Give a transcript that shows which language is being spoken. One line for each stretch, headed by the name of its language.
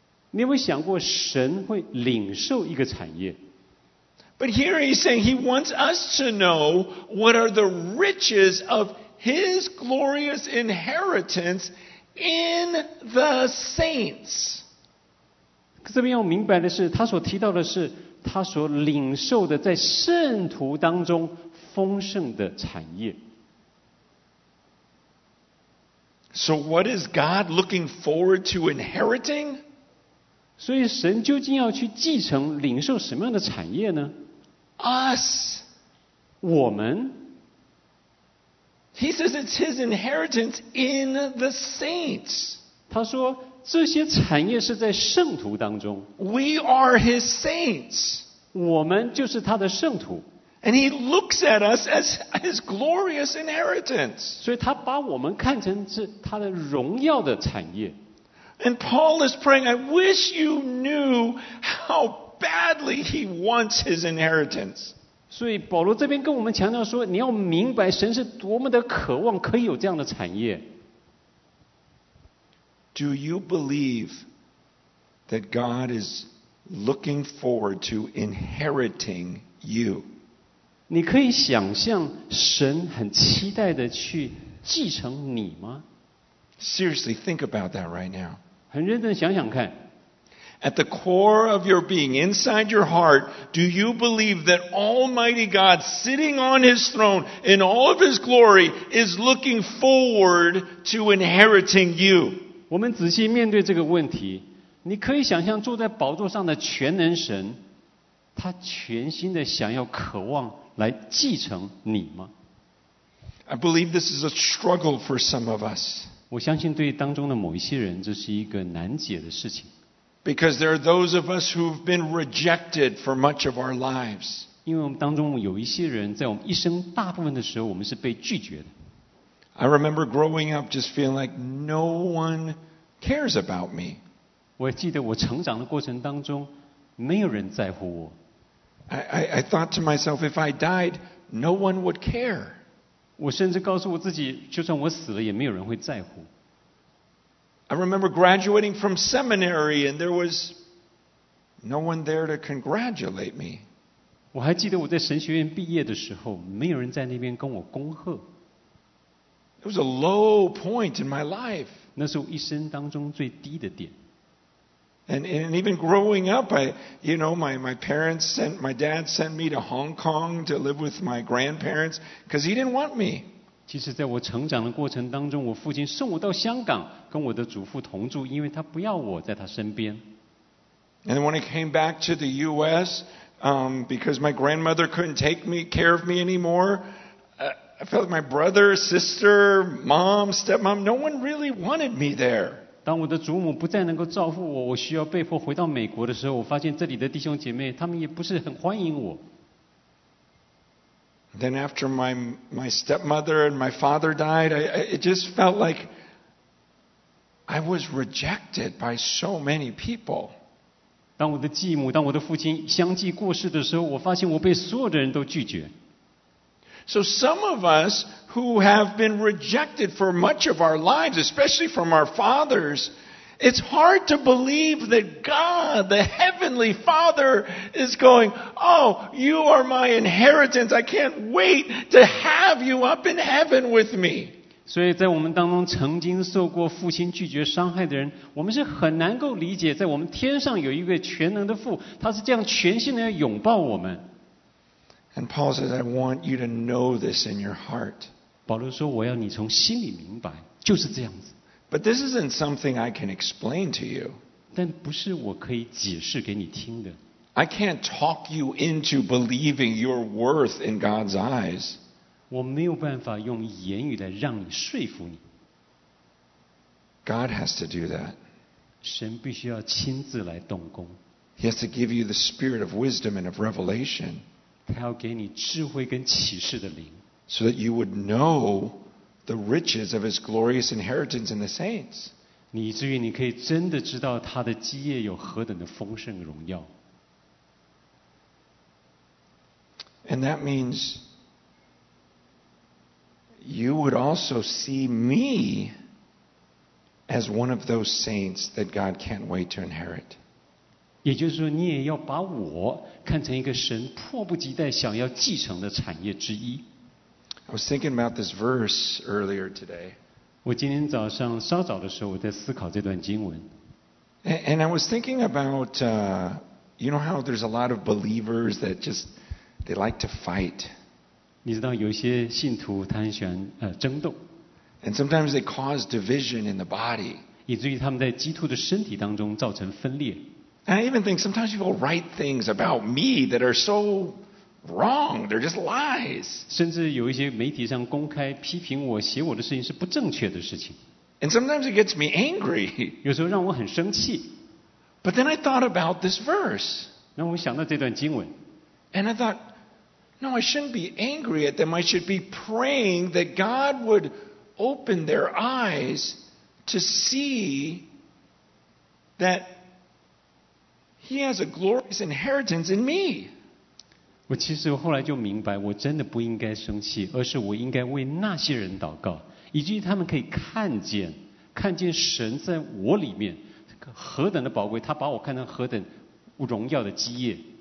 Chinese: 你有没有想过神会领受一个产业？
English: But here he's saying he wants us to know what are the riches of his glorious inheritance in the saints.
Chinese: 这边要明白的是，他所提到的是他所领受的在圣徒当中丰盛的产业。
English: So what is God looking forward to inheriting?
Chinese: 所以神究竟要去继承领受什么样的产业呢？
English: Us,
Chinese: 我们。
English: He says it's his inheritance in the saints.
Chinese: 他说这些产业是在圣徒当中。
English: We are his saints.
Chinese: 我们就是他的圣徒。
English: And he looks at us as his glorious inheritance.
Chinese: 所以他把我们看成是他的荣耀的产业。
English: And Paul is praying, I wish you knew how badly he wants his inheritance.
Chinese: 所以保罗这边跟我们强调说，你要明白神是多么的渴望可以有这样的产业。
English: Do you believe that God is looking forward to inheriting you?
Chinese: 你可以想象神很期待的去继承你吗？
English: Seriously, think about that right now.
Chinese: 很认真想想看。
English: At the core of your being, inside your heart, do you believe that Almighty God, sitting on His throne in all of His glory, is looking forward to inheriting you?
Chinese: 我们仔细面对这个问题，你可以想象坐在宝座上的全能神，他全心的想要渴望来继承你吗？
English: I believe this is a struggle for some of us.
Chinese: 我相信对当中的某一些人，这是一个难解的事情。
English: Because there are those of us who've been rejected for much of our lives.
Chinese: 因为我们当中有一些人在我们一生大部分的时候我们是被拒绝的。
English: I remember growing up just feeling like no one cares about me.
Chinese: 我记得我成长的过程当中没有人在乎我。
English: I thought to myself, if I died, no one would care.
Chinese: 我甚至告诉我自己就算我死了也没有人会在乎。
English: I remember graduating from seminary and there was no one there to congratulate me.
Chinese: 我还记得我在神学院毕业的时候，没有人在那边跟我恭贺。
English: It was a low point in my life.
Chinese: 那是我一生当中最低的点。
English: And even growing up, my parents sent, my dad sent me to Hong Kong to live with my grandparents because he didn't want me.
Chinese: 其实在我成长的过程当中，我父亲送我到香港跟我的祖父同住，因为他不要我在他身边。
English: And when I came back to the U.S., because my grandmother couldn't take me care of me anymore, I felt like my brother, sister, mom, stepmom, no one really wanted me there.
Chinese: 当我的祖母不再能够照顾我，我需要被迫回到美国的时候，我发现这里的弟兄姐妹他们也不是很欢迎我。
English: Then after my stepmother and my father died, it just felt like I was rejected by so many people.
Chinese: 当我的继母、当我的父亲相继过世的时候，我发现我被所有的人都拒绝。
English: So some of us who have been rejected for much of our lives, especially from our fathers, it's hard to believe that God, the Heavenly Father, is going, Oh, you are my inheritance. I can't wait to have you up in heaven with me.
Chinese: 所以在我们当中曾经受过父亲拒绝伤害的人，我们是很难够理解，在我们天上有一位全能的父，他是这样全心的要拥抱我们。
English: And Paul says, I want you to know this in your heart.
Chinese: 保罗说，我要你从心里明白，就是这样子。
English: But this isn't something I can explain to you.
Chinese: 但不是我可以解释给你听的。
English: I can't talk you into believing your worth in God's eyes.
Chinese: 我没有办法用言语来让你说服你。
English: God has to do that.
Chinese: 神必须要亲自来动工。
English: He has to give you the spirit of wisdom and of revelation.
Chinese: 他要给你智慧跟启示的灵。
English: So that you would know the riches of his glorious inheritance in the saints.
Chinese: 以至于你可以真的知道他的基业有何等的丰盛荣耀。
English: And that means you would also see me as one of those saints that God can't wait to inherit.
Chinese: 也就是说你也要把我看成一个神迫不及待想要继承的产业之一。
English: I was thinking about this verse earlier today.
Chinese: 我今天早上稍早的时候我在思考这段经文。
English: And I was thinking about, you know how there's a lot of believers that just, they like to fight.
Chinese: 你知道有些信徒他很喜欢争斗。
English: And sometimes they cause division in the body.
Chinese: 以至于他们在基督的身体当中造成分裂。
English: And I even think sometimes people write things about me that are so... Wrong. They're just lies.
Chinese: 甚至有一些媒体上公开批评我写我的事情是不正确的事情。
English: And sometimes it gets me angry.
Chinese: 有时候让我很生气。
English: But then I thought about this verse.
Chinese: 然后我想到这段经文。
English: And I thought, no, I shouldn't be angry at them. I should be praying that God would open their eyes to see that He has a glorious inheritance in me.
Chinese: 我其实后来就明白我真的不应该生气而是我应该为那些人祷告以至于他们可以看见神在我里面何等的宝贵他把我看成何等荣耀的基业